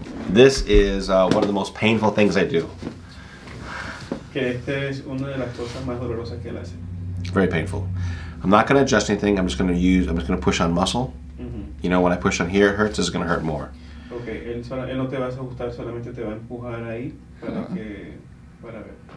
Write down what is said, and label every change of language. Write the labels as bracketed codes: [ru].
[en] This is one of the most painful things I do. [es] Que esta es una de las cosas más dolorosas que él hace. [en] Very painful. I'm not going to adjust anything. I'm just going to push on muscle. Mm-hmm. you know, when I push on here, it hurts, it's going to hurt more. [es] Okay, él no te va a ajustar, solamente te va a empujar ahí para que, para ver.